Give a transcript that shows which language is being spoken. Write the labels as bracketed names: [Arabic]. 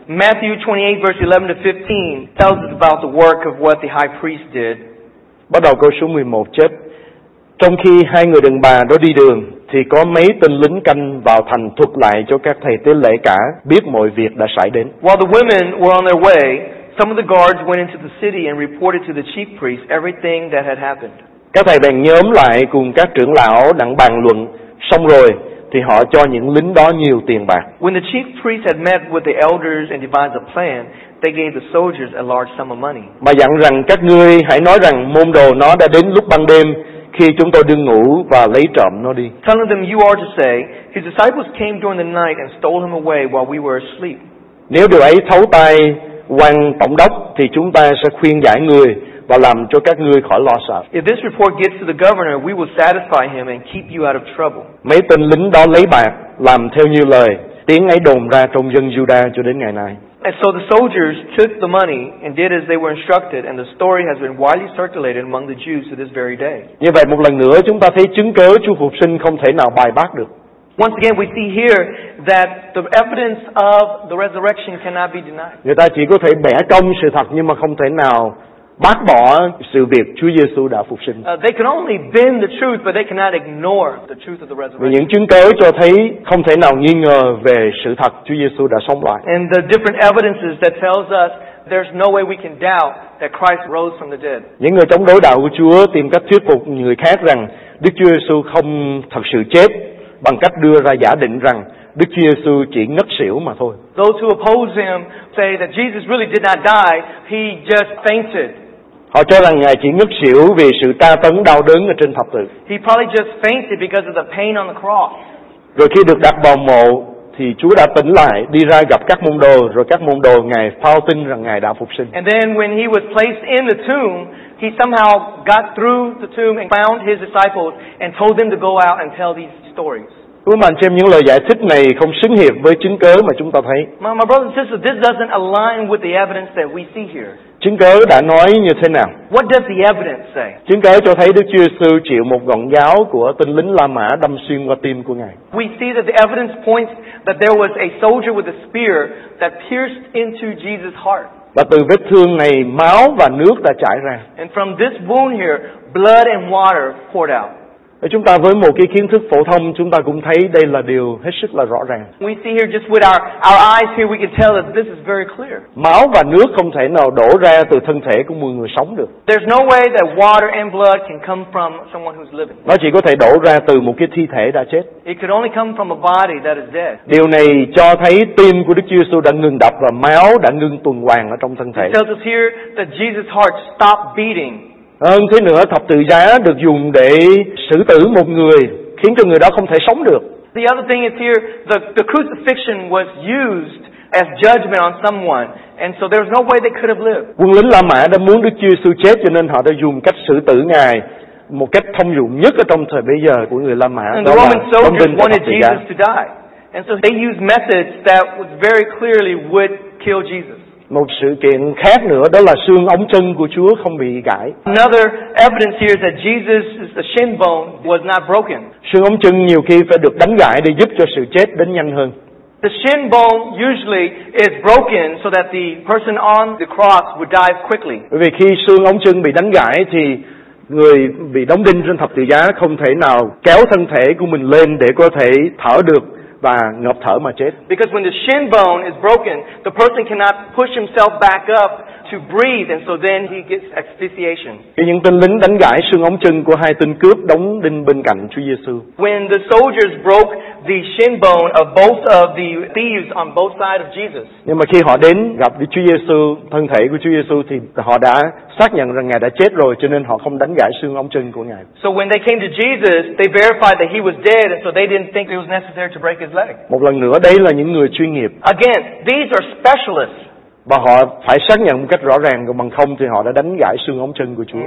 [English] Matthew 28 verse 11 to 15 tells us about the work of what the high priest did. [Vietnamese] Bắt đầu câu số 11 chép: trong khi hai người đàn bà đó đi đường thì có mấy tên lính canh vào thành thuật lại cho các thầy tế lễ cả biết mọi việc đã xảy đến. [English] While the women were on their way, some of the guards went into the city and reported to the chief priests everything that had happened. [Vietnamese] Các thầy bèn nhóm lại cùng các trưởng lão đặng bàn luận, xong rồi thì họ cho những lính đó nhiều tiền bạc. [English] When the chief priests had met with the elders and devised a plan, they gave the soldiers a large sum of money. [Vietnamese] Mà dặn rằng các ngươi hãy nói rằng môn đồ nó đã đến lúc ban đêm khi chúng tôi đương ngủ và lấy trộm nó đi. [English] Telling them you are to say, his disciples came during the night and stole him away while we were asleep. [Vietnamese] Nếu điều ấy thấu tai quan tổng đốc thì chúng ta sẽ khuyên giải người và làm cho các ngươi khỏi lo sợ. [English] If this report gets to the governor, we will satisfy him and keep you out of trouble. [Vietnamese] Mấy tên lính đó lấy bạc, làm theo như lời, tiếng ấy đồn ra trong dân Judah cho đến ngày nay. [English] And so the soldiers took the money and did as they were instructed, and the story has been widely circulated among the Jews to this very day. [Vietnamese] Như vậy một lần nữa chúng ta thấy chứng cớ Chúa phục sinh không thể nào bài bác được. [English] Once again, we see here that the evidence of the resurrection cannot be denied. [Vietnamese] Người ta chỉ có thể bẻ cong sự thật nhưng mà không thể nào bác bỏ sự việc Chúa Giêsu đã phục sinh. [English] They can only bend the truth, but they cannot ignore the truth of the resurrection. [Vietnamese] Vì những chứng cứ cho thấy không thể nào nghi ngờ về sự thật Chúa Giêsu đã sống lại. [English] And the different evidences that tells us there's no way we can doubt that Christ rose from the dead. [Vietnamese] Những người chống đối đạo của Chúa tìm cách thuyết phục người khác rằng Đức Chúa Giêsu không thật sự chết bằng cách đưa ra giả định rằng Đức Chúa Giêsu chỉ ngất xỉu mà thôi. [English] Those who oppose him say that Jesus really did not die, he just fainted. [Vietnamese] Họ cho rằng Ngài chỉ ngất xỉu vì sự tra tấn đau đớn ở trên thập tự. [English] He probably just fainted because of the pain on the cross. [Vietnamese] Rồi khi được đặt vào mộ thì Chúa đã tỉnh lại, đi ra gặp các môn đồ, rồi các môn đồ Ngài phao tin rằng Ngài đã phục sinh. [English] And then when he was placed in the tomb, he somehow got through the tomb and found his disciples and told them to go out and tell these stories. [Vietnamese] Ủa mà anh xem những lời giải thích này không xứng hiệp với chứng cứ mà chúng ta thấy. [English] My brothers and sisters, this doesn't align with the evidence that we see here. [Vietnamese] Chứng cứ đã nói như thế nào? [English] What does the evidence say? [Vietnamese] Chứng cứ cho thấy Đức Chúa Giêsu chịu một gọn giáo của tinh lính La Mã đâm xuyên qua tim của Ngài. [English] We see that the evidence points that there was a soldier with a spear that pierced into Jesus' heart. [Vietnamese] Và từ vết thương này máu và nước đã chảy ra. [English] And from this wound here, blood and water poured out. [Vietnamese] Chúng ta với một cái kiến thức phổ thông, chúng ta cũng thấy đây là điều hết sức là rõ ràng. [English] We see here just with our eyes here, we can tell that this is very clear. [Vietnamese] Máu và nước không thể nào đổ ra từ thân thể của một người sống được. [English] There's no way that water and blood can come from someone who's living. [Vietnamese] Nó chỉ có thể đổ ra từ một cái thi thể đã chết. [English] It could only come from a body that is dead. [Vietnamese] Điều này cho thấy tim của Đức Chúa Giêsu đã ngừng đập và máu đã ngừng tuần hoàn ở trong thân thể. [English] It tells us here that Jesus' heart stopped beating. [Vietnamese] Hơn thế nữa, thập tự giá được dùng để xử tử một người, khiến cho người đó không thể sống được. [English] The other thing is here, the crucifixion was used as judgment on someone, and so there was no way they could have lived. [Vietnamese] Quân lính La Mã đã muốn Đức Chúa Giêsu chết, cho nên họ đã dùng cách xử tử Ngài một cách thông dụng nhất ở trong thời bây giờ của người La Mã. [English] And the Roman soldiers wanted Jesus to die, and so they used methods that was very clearly would kill Jesus. [Vietnamese] Một sự kiện khác nữa đó là xương ống chân của Chúa không bị gãy. [English] Another evidence here is that Jesus' shin bone was not broken. [Vietnamese] Xương ống chân nhiều khi phải được đánh gãy để giúp cho sự chết đến nhanh hơn. [English] The shin bone usually is broken so that the person on the cross would die quickly. [Vietnamese] Bởi vì khi xương ống chân bị đánh gãy thì người bị đóng đinh trên thập tự giá không thể nào kéo thân thể của mình lên để có thể thở được. Và ngộp thở mà chết. [English] Because when the shin bone is broken, the person cannot push himself back up to breathe, and so then he gets asphyxiation. [Vietnamese] Khi những tên lính đánh gãy xương ống chân của hai tên cướp đóng đinh bên cạnh Chúa Giêsu. [English] When the soldiers broke the shin bone of both of the thieves on both sides of Jesus. [Vietnamese] Nhưng mà khi họ đến gặp Chúa Giêsu, thân thể của Chúa Giêsu thì họ đã xác nhận rằng Ngài đã chết rồi, cho nên họ không đánh gãy xương ống chân của Ngài. [English] So when they came to Jesus, they verified that he was dead, and so they didn't think it was necessary to break his leg. [Vietnamese] Một lần nữa, đây là những người chuyên nghiệp. [English] Again, these are specialists. [Vietnamese] Và họ phải xác nhận một cách rõ ràng, còn bằng không thì họ đã đánh gãy xương ống chân của Chúa.